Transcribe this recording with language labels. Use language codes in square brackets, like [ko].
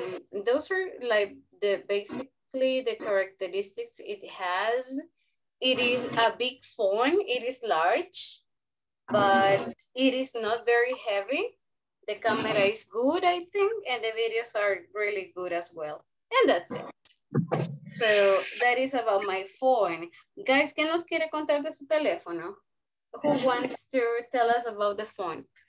[en] Those are like the basically the characteristics it has. It is a big phone, it is large, but it is not very heavy. The camera is good, I think, and the videos are really good as well. And that's it. So that is about my phone. [es] Guys, ¿quién nos quiere contar de su teléfono? [en] Who wants to tell us about the phone?